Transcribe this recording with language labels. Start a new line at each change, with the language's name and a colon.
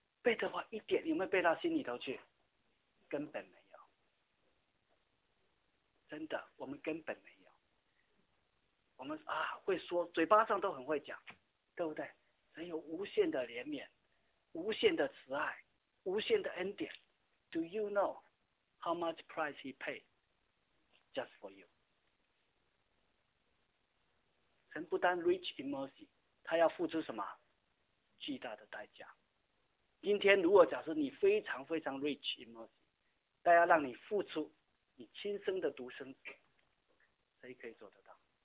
Chinese: 背的话一点有没有背到心里头去？根本没有。真的，我们根本没有。我们啊会说，嘴巴上都很会讲，对不对？神有无限的怜悯，无限的慈爱，无限的恩典。
English: Do you know how much price he paid just for you？
Chinese: 神不单
English: rich in mercy，
Chinese: 他要付出什么巨大的代价。今天如果假设你非常非常
English: rich in mercy，
Chinese: 他要让你付出你亲生的独生子，谁可以做得到？